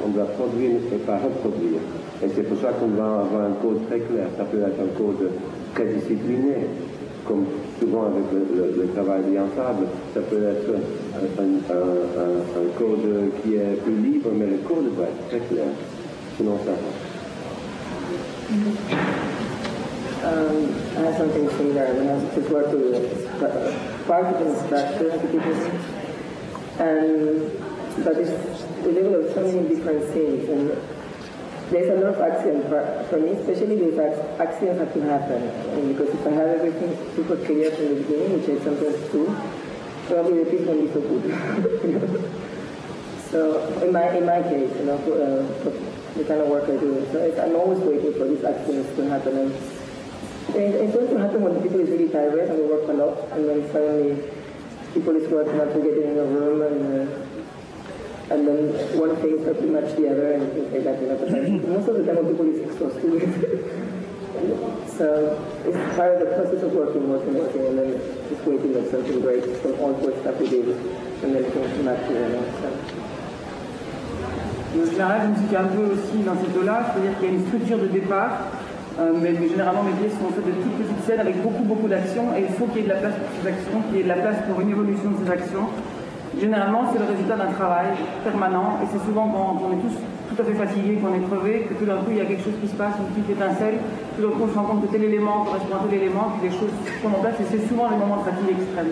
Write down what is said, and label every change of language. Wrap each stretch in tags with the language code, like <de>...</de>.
<fr>On doit produire et pas reproduire. Et c'est pour ça qu'on doit avoir un code très clair. Ça peut être un code très discipliné, comme souvent avec le travail d'ensemble. Ça peut être un code qui est plus libre, mais le code doit être très clair. Sinon, ça va.</fr> <en>I have something similar when I was to work with part of the structure to give us, but it's the level of so many different scenes, and there's a lot of accidents for me, especially these accidents have to happen, and because if I have everything super clear from the beginning, which I sometimes do, probably the piece won't be so good. So in my case, you know, for the kind of work I do, so I'm always waiting for these accidents to happen. And it's also happen when people is really tired and they work a lot, and then suddenly people is working hard to get in the room, and then one thing starts to match the other and things like that. But most of the time, people is exhausted. So it's part of the process of working, and then just waiting for something great from all the stuff we did, and then things match the other.</en> <fr>Je dirais, je me situe un peu aussi dans ces deux-là, c'est-à-dire qu'il y a une structure de départ. Mais généralement, mes pièces sont faites de toutes petites scènes avec beaucoup d'actions, et il faut qu'il y ait de la place pour ces actions, qu'il y ait de la place pour une évolution de ces actions. Généralement, c'est le résultat d'un travail permanent, et c'est souvent quand on est tous tout à fait fatigués, qu'on est crevés, que tout d'un coup, il y a quelque chose qui se passe, une petite étincelle, tout d'un coup, on se rend compte que tel élément correspond à tel élément, puis les choses se font en place, et c'est souvent les moments de fatigue extrême.</fr>